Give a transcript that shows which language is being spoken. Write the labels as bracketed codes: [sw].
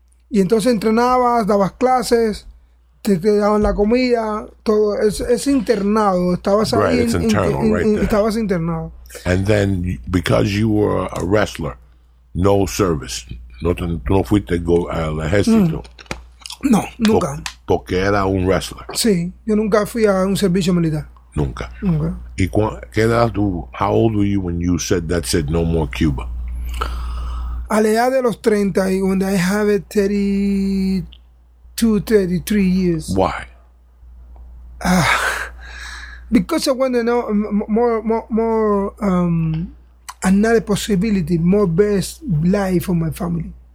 [es] Y entonces entrenabas, dabas clases, te daban la comida, todo. Es internado. Estabas [en] right, [es] ahí [en] it's internal, right there. [es] Estabas internado. [en] And then, because you were a wrestler, no service. [es] No fuiste al ejército. No, nunca. Porque era un wrestler. Sí, yo nunca fui a un servicio militar. Nunca. [en] Okay. [es] ¿Qué edad tú? [en] How old were you when you said that's it, no more Cuba? [es] A la edad de los 30, [en] when I have 32, 33 years. Why? Because I want to know more another possibility, more best life for my family.